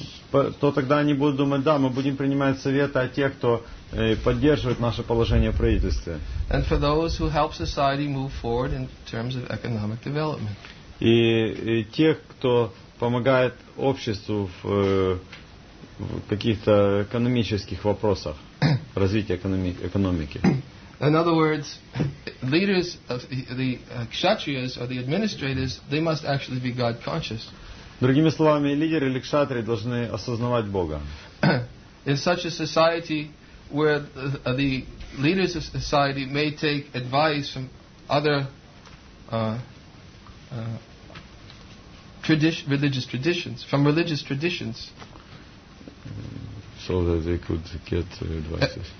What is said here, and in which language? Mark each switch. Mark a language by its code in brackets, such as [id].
[ru] То тогда они будут думать, да, мы будем принимать советы от тех, кто поддерживает наше положение в правительстве. [en] And for those who help society move forward in terms of economic development. [ru] И тех, кто помогает обществу в каких-то экономических вопросах, развития экономики. [en] In other words, leaders of the kshatriyas or the administrators, they must actually be God-conscious. [ru] Другими словами, лидеры или кшатрии должны осознавать Бога. [en] In such a society, where the leaders of society may take advice from other religious traditions. So that they could get advice.